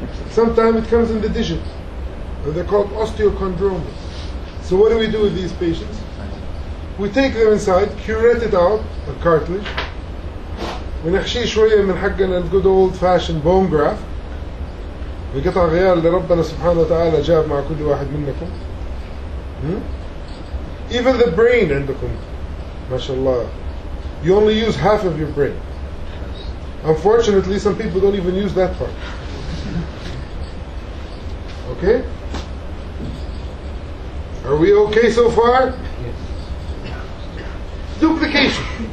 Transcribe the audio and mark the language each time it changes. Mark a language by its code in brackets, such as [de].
[en] Sometimes it comes in the digit. They're called osteochondromas. So what do we do with these patients? We take them inside, curate it out, a cartilage. We [ar] نحشي شوية من حقنا [en] the good old-fashioned bone graft. We get our [ar] غيار اللي ربنا سبحانه وتعالى جاب مع كل واحد منكم. [en] Even the brain [ar] عندكم, ما شاء الله, [en] You only use half of your brain. Unfortunately, some people don't even use that part. Okay? Are we okay so far? Yes. Duplication.